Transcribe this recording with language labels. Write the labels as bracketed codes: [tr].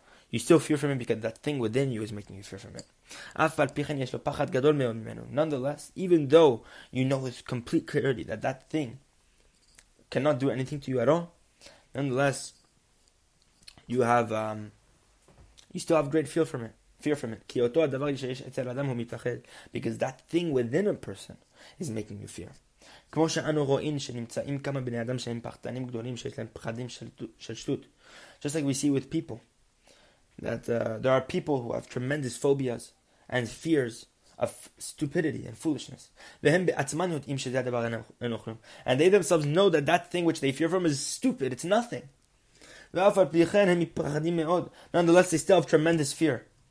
[en] You still fear from it because that thing within you is making you fear from it. Nonetheless, even though you know with complete clarity that that thing cannot do anything to you at all, nonetheless, you have you still have great fear from it. Because that thing within a person is making you fear. [he] כמו שאנו רואים שנמצאים כמה בני אדם שהם פחדנים גדולים שיש להם פחדים של שטות. [en] Just like we see with people. That there are people who have tremendous phobias and fears of stupidity and foolishness. And they themselves know that that thing which they fear from is stupid, it's nothing. Nonetheless, they still have tremendous fear.